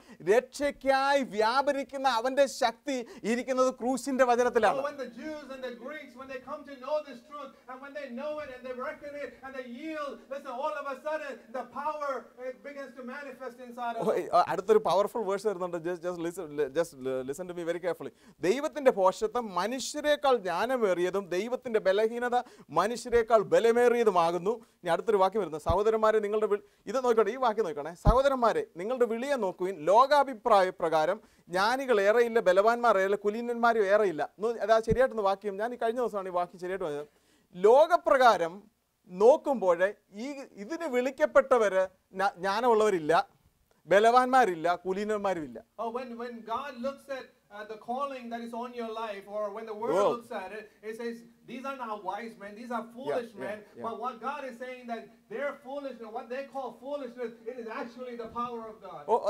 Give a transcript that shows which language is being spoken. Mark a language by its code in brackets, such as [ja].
[ml] രക്ഷയ്ക്കായി വ്യാപരിക്കുന്ന അവന്റെ ശക്തി ഇരിക്കുന്നത് ക്രൂശിന്റെ വചനത്തിലാണ്. [en] So when the Jews and the Greeks, when they come to know this truth, and when they know it and they reckon it and they yield, listen, all of a sudden the power, it begins to manifest inside of them. [ml] അടുത്തൊരു [en] powerful verse [ml] വരുന്നുണ്ട്. [en] Just listen to me very carefully. [ml] ദൈവത്തിന്റെ പോഷത്വം മനുഷ്യരെക്കാൾ ജ്ഞാനമേറിയതും ദൈവത്തിന്റെ ബലഹീനത മനുഷ്യരെക്കാൾ ബലമേറിയതുമാകുന്നു. ഇനി അടുത്തൊരു വാക്യം വരുന്നു. സഹോദരന്മാരെ, നിങ്ങളുടെ ഇത് നോക്കണേ, ഈ വാക്യം നോക്കണേ. സഹോദരന്മാരെ, നിങ്ങളുടെ വിളിയെ നോക്കുവിൻ. ലോകാഭിപ്രായ പ്രകാരം ജ്ഞാനികൾ ഏറെ ഇല്ല, ബലവാന്മാർ ഏറെ, കുലീനന്മാരും ഏറെ ഇല്ല. അതാ ശരിയായിട്ടൊന്ന് വാക്യം, ഞാൻ ഈ കഴിഞ്ഞ ദിവസമാണ് ഈ വാക്യം ശരിയായിട്ട് പറഞ്ഞത്. ലോകപ്രകാരം നോക്കുമ്പോഴേ ഈ ഇതിന് വിളിക്കപ്പെട്ടവര് ജ്ഞാനമുള്ളവരില്ല, ബലവാന്മാരില്ല, കുലീനന്മാരും ഇല്ല. [en] Oh, when God looks at the calling that is on your life, or when the world looks at it, it says, these are not wise men, these are foolish men. Yeah. But what God is saying that their foolishness, what they call foolishness, it is actually the power of God.